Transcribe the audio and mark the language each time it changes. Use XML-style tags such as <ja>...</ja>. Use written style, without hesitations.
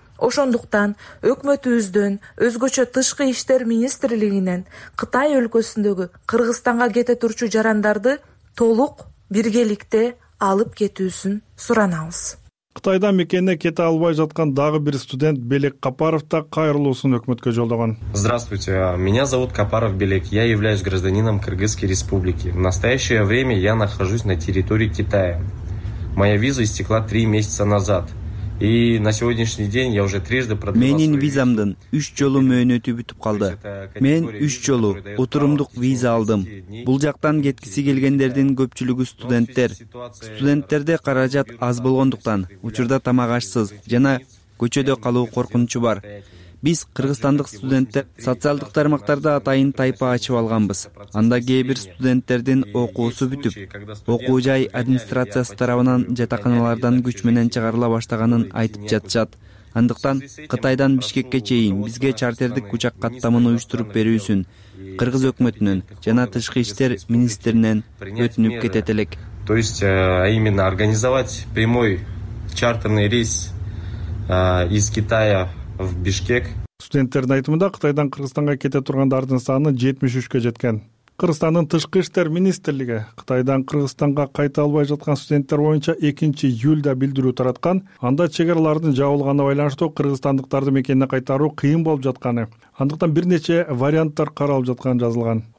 <ky>Ошондуктан өкмөтүбүздөн, өзгөчө тышкы иштер министрлигинен Кытай өлкөсүндөгү Кыргызстанга кете турчу жарандарды толук биргеликте алып кетүүсүн суранабыз. Кытайдан мекенине кете албай жаткан дагы бир студент Белек Капаров да кайрылуусун өкмөткө жолдогон.</ky> <ru>Здравствуйте, меня зовут Капаров Белек. Я являюсь гражданином Кыргызской Республики. В настоящее время я нахожусь на территории Китая. Моя виза истекла 3 месяца назад. И на сегодняшний день я уже трижды продлил свою.</ru> <ky>Менин визамдын 3 жолу мөөнөтү бүтүп калды. Мен 3 жолу отурумдук виза алдым. Бул жактан кеткиси келгендердин көпчүлүгү студенттер. Студенттерде каражат аз болгондуктан, учурда тамак ашсыз жана көчөдө калуу коркунучу бар. Биз кыргызстандык студенттер социалдык тармактарда атайын тайпа ачып алганбыз. Анда кээ бир студенттердин окуусу бүтүп, окуу жай администрациясы тарабынан жатаканалардан күч менен чыгарыла баштаганын айтып жатышат. Андыктан Кытайдан Бишкекке чейин бизге чартердик учак каттамын уюштуруп берүүсүн кыргыз өкмөтүнөн жана тышкы иштер министринен өтүнүп кетет элек.</ky> <ru>То есть, а именно организовать прямой чартерный рейс из Китая в Бишкек.</ru> <ky>Студенттердин айтымында Кытайдан Кыргызстанга кете тургандардын саны 73 жеткен. Кыргызстандын тышкы иштер министрлиги Кытайдан Кыргызстанга кайта албай жаткан студенттер боюнча 2-июлда билдирүү тараткан. Анда чек аралардын жабылганына байланыштуу кыргызстандыктарды мекенине кайтаруу кыйын болуп жатканы, андыктан бир нече варианттар каралып жатканы жазылган.</ky>